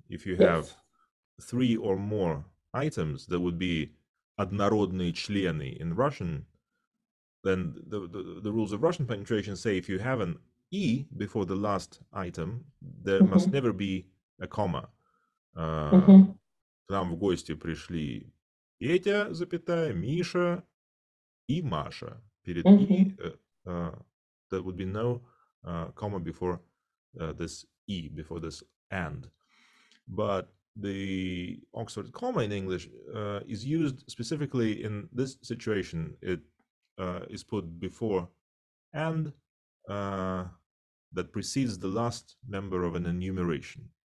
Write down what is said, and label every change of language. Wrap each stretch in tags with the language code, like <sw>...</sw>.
<en>If you have three or more items, that would be</en> <ru>однородные члены</ru> <en>in Russian. Then the rules of Russian punctuation say if you have an E before the last item, there must never be a comma.</en> <ru>К нам в гости пришли Петя, запятая, Миша и Маша. Перед E,</ru> <en>there would be no comma before this E, before this and. But the Oxford comma in English is used specifically in this situation. It is put before and that precedes the last member of an enumeration.</en>